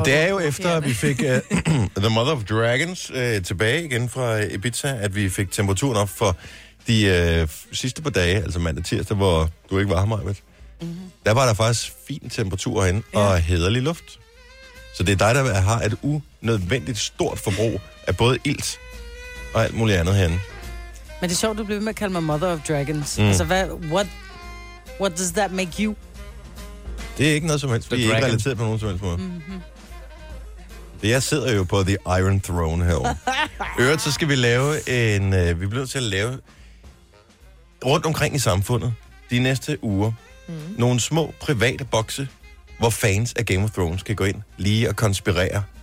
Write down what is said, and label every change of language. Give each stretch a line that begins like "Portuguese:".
Danish: Og det er jo efter, at vi fik The Mother of Dragons tilbage igen fra Ibiza, at vi fik temperaturen op for de sidste par dage, altså mandag tirsdag, hvor du ikke var her, Maja. Mm-hmm. Der var der faktisk fin temperatur herinde, ja, og hæderlig luft. Så det er dig, der har et unødvendigt stort forbrug af både ilt og alt muligt andet herinde. Men det er sjovt, du bliver med at kalde mig Mother of Dragons. Mm. Altså, hvad,
English: what does that make you?
Danish: Det er ikke noget som helst, fordi jeg er ikke relateret på nogen som helst måde. Mm-hmm. Det, jeg sidder jo på The Iron Throne herovre. Øret, så skal vi lave en... vi bliver nødt til at lave rundt omkring i samfundet de næste uger nogle små private bokse, hvor fans af Game of Thrones kan gå ind lige og konspirere.